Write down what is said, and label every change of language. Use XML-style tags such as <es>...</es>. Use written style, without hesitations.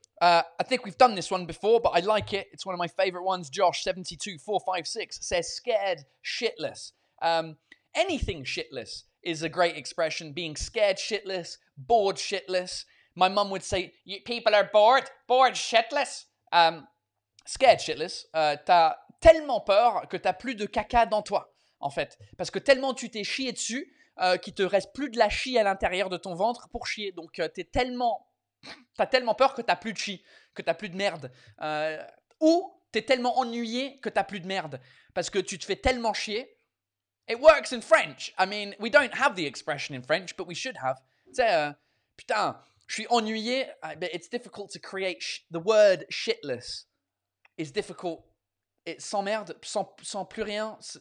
<en>I think we've done this one before, but I like it. It's one of my favorite ones. Josh72456 says, scared shitless. Anything shitless is a great expression. Being scared shitless, bored shitless. My mum would say, people are bored, bored shitless. Scared shitless.</en> <fr>T'as tellement peur que t'as plus de caca dans toi, en fait. Parce que tellement tu t'es chié dessus qu'il te reste plus de la chie à l'intérieur de ton ventre pour chier. Donc, t'es tellement... T'as tellement peur que t'as plus de chi, que t'as plus de merde. Ou t'es tellement ennuyé que t'as plus de merde. Parce que tu te fais tellement chier.</fr> <en>It works in French. I mean, we don't have the expression in French, but we should have.</en> <fr>Tu sais, putain, je suis ennuyé.</fr> <en>But it's difficult to create. The word shitless is difficult. It's</en> <fr>sans merde, sans plus rien.</fr>